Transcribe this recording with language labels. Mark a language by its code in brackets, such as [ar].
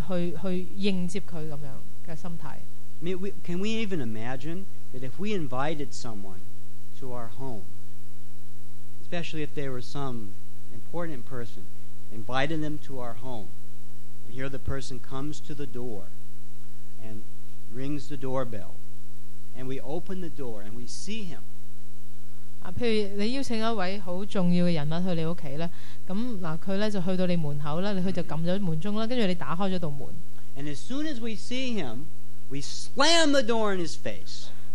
[zh] 所以当我们念诵圣名的时候呢,我们要呢,是去迎接他这样的心态。 [en] Can we even imagine that if we invited someone to our home, especially if they were some important person, invited them to our home, and here the person comes to the door and rings the doorbell, and we open the door and we see him. [zh] 譬如你邀请一位很重要的人物去你家，那他就去到你门口，你就按了门钟，然后你打开了门。 [en] And as soon as we see him, we slam the door in his face.